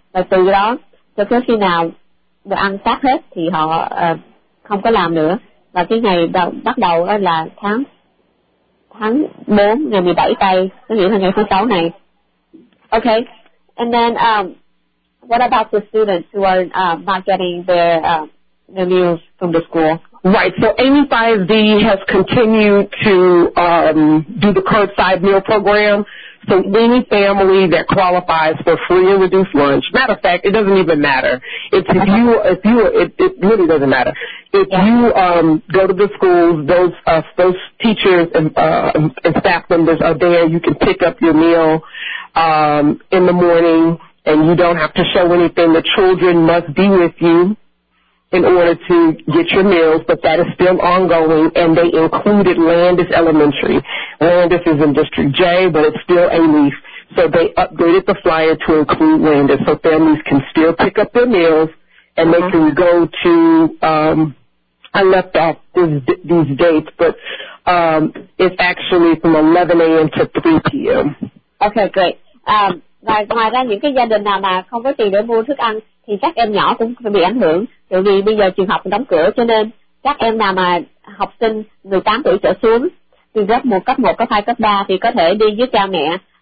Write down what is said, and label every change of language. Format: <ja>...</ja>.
<vi>Và từ đó cho tới khi nào đồ ăn phát hết thì họ không có làm nữa. Và cái ngày bắt đầu là tháng 4, ngày 17 tây, có nghĩa là ngày thứ 6 này.</vi> <en>Okay, and then what about the students who are not getting their the meals from the school. Right, so AMY5D has continued to do the curbside meal program. So any family that qualifies for free and reduced lunch, matter of fact, it doesn't even matter. It really doesn't matter. If you go to the schools, those teachers and staff members are there. You can pick up your meal in the morning, and you don't have to show anything. The children must be with you in order to get your meals, but that is still ongoing, and they included Landis Elementary. Landis is in District J, but it's still AMY5D. So they updated the flyer to include Landis, so families can still pick up their meals, and they can go to, I left off these dates, but it's actually from 11 a.m. to 3 p.m. Okay, great.</en> <vi>Và ngoài ra những cái gia đình nào mà không có tiền để mua thức ăn thì các em nhỏ cũng bị ảnh hưởng, tại vì bây giờ trường học đóng cửa, cho nên các em nào mà học sinh 18 tuổi trở xuống từ lớp 1, cấp 1, cấp 2, cấp 3 thì có thể đi với cha mẹ</vi>